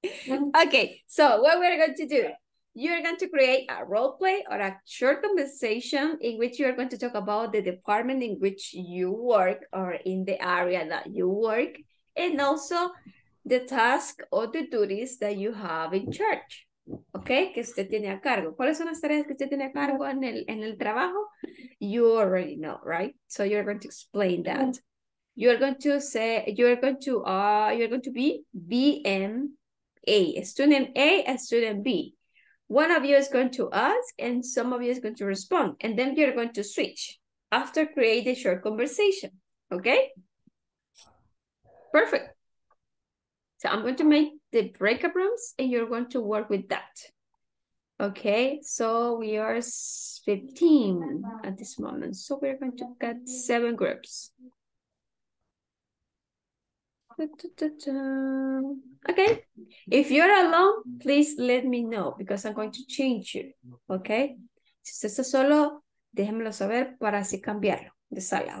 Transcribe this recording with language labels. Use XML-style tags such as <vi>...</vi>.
<en>Okay, so what we're going to do? You're going to create a role play or a short conversation in which you are going to talk about the department in which you work or in the area that you work, and also the task or the duties that you have in charge.</en> <es>Okay, que usted tiene a cargo. ¿Cuáles son las tareas que usted tiene a cargo en el trabajo?</es> <en>You already know, right? So you're going to explain that. You're going to be BMA, student A and student B. One of you is going to ask and some of you is going to respond. And then you're going to switch after create a short conversation. Okay? Perfect. So I'm going to make the breakout rooms and you're going to work with that. Okay? So we are 15 at this moment. So we're going to get 7 groups. Okay, if you're alone, please let me know because I'm going to change you.</en> <es>Okay, si usted está solo, déjenmelo saber para así cambiarlo de sala.</es>